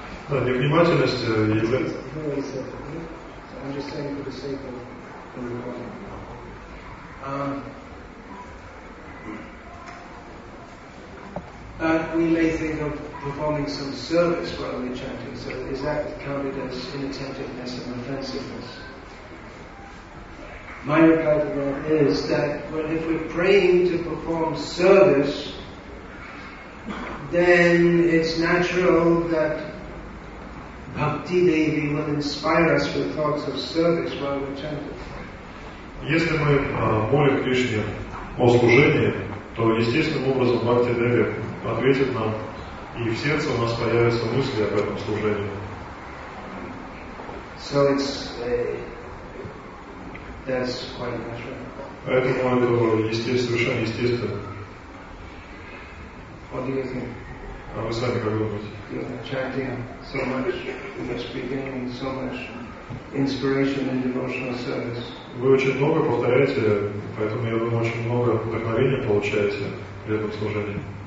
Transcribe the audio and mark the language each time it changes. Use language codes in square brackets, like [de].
[ru] Да, невнимательность является. [en] No, it's not. I'm just saying for the sake of the recording. But we may think of performing some service while we're chanting. So is that counted as inattentiveness and offensiveness? My reply to that is that, well, if we're praying to perform service, then it's natural that Bhakti Devi will inspire us with thoughts of service while we're chanting. [ru] Если мы молим Кришне о служении, то естественным образом Бхакти Деви ответит нам, и в сердце у нас появятся мысли об этом служении. [en] So it's that's quite natural. [ru] Поэтому это совершенно естественно. [en] What do you think? [ru] А вы сами как думаете? [en] You're not chanting so much, you're just beginning so much inspiration and devotional service. [ru] Вы очень много повторяете, поэтому я думаю, очень много вдохновения получаете при этом служении.